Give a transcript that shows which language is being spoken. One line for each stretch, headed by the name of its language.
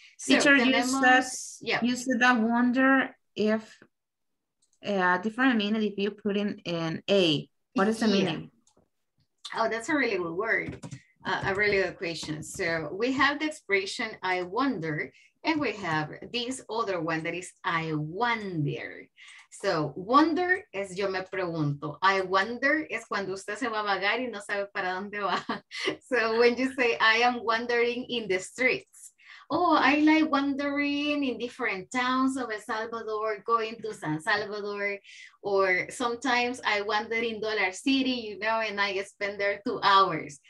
English: Teacher, you said that wonder if different meaning if you put in A. What is the meaning? Oh, that's a really good word. A really good question. So we have the expression, I wonder, And we have this other one that is I wonder. So wonder
Spanish: es yo me pregunto.
English: I wonder
Spanish: es cuando usted se va a vagar y no sabe para dónde va.
English: So when you say I am wandering in the streets. Oh, I like wandering in different towns of El Salvador, going to San Salvador. Or sometimes I wander in Dollar City, you know, and I spend there 2 hours.